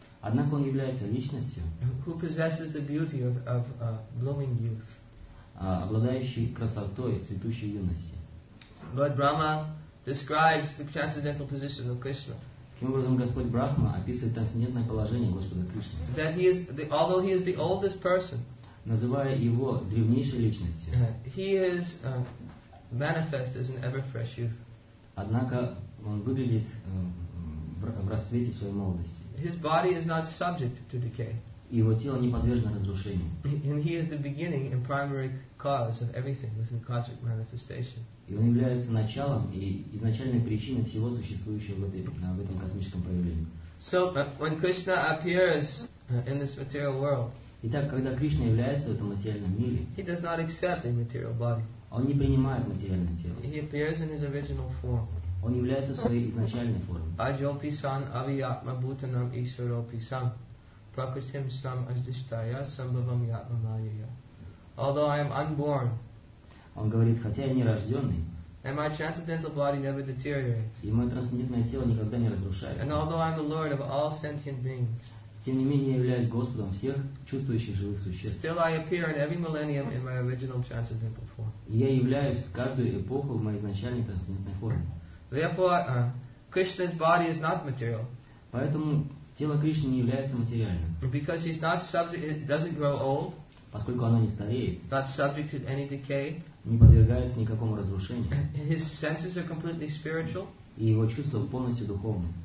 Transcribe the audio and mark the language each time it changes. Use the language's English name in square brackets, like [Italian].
[Russian] Однако он является личностью. [English] Who possesses the beauty of blooming youth. [Russian] Обладающий красотой цветущей юности. [English] Lord Brahma describes the transcendental position of Krishna. [Russian] Таким образом, Господь Брахма описывает трансцендентное положение Господа Кришны. [English] That he is, although he is the oldest person. [Russian] Называя его древнейшей личностью. [English] He is manifest as an ever fresh youth. [Russian] Однако он выглядит в расцвете своей молодости. [English] His body is not subject to decay. [Russian] Его тело не подвержено разрушению. [English] And he is the beginning and primary cause of everything within cosmic manifestation. [Russian] И он является началом и изначальной причиной всего существующего в этом космическом проявлении. [English] So when Krishna appears in this material world. [Russian] Итак, когда Кришна является в этом материальном мире. [English] He does not accept a material body. [Russian] Он не принимает материальное тело. [English] He appears in his original form. [Russian] Он является своей изначальной формой. [Sanskrit] Ajopi san aviyatma bhutanam isvaropi san prakritim sam adishtaya sambhavam yatma mayaya. [English] Although I am unborn, [Russian] Он говорит, хотя я не рожденный, [English] and my transcendental body never deteriorates. [Russian] И мое трансцендентное тело никогда не разрушается. [English] And although I'm the Lord of all sentient beings, [Russian] тем не менее я являюсь Господом всех чувствующих живых существ. [English] Still I appear in every millennium in my original transcendental form. [Russian] И я являюсь в каждую эпоху в моей изначальной трансцендентной форме. [English] Therefore, Krishna's body is not material. [Russian] Поэтому тело Кришны не является материальным. [English] Because he's not subject, it doesn't grow old. [Russian] Поскольку оно не стареет. [English] It's not subject to any decay. [Russian] Не подвергается никакому разрушению. [English] His senses are completely spiritual. [Russian] И его чувства полностью духовны.